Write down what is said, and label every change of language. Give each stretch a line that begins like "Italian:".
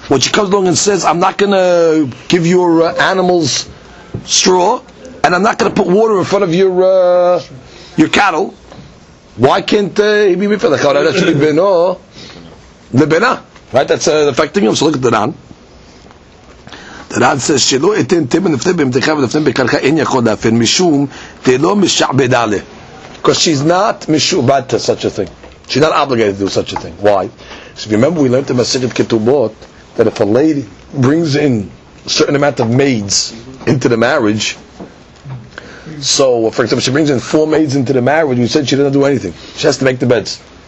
English: When she comes along and says, "I'm not going to give your animals straw, and I'm not going to put water in front of your cattle," why can't he be mefer? That should be beno lebena, right? That's affecting him. So look at the Ran. Ran says
Hebrew: שלא אתן תבן לפני במתחה ולפני בקרקה אין יכול להפן משום תלו משעבד עלי.
English: Because she's not משובד to such a thing. She's not obligated to do such a thing. Why? So remember we learned in Masechet Ketubot that if a lady brings in a certain amount of maids into the marriage, so for example she brings in four maids into the marriage, we said she didn't do anything. She has to make the beds.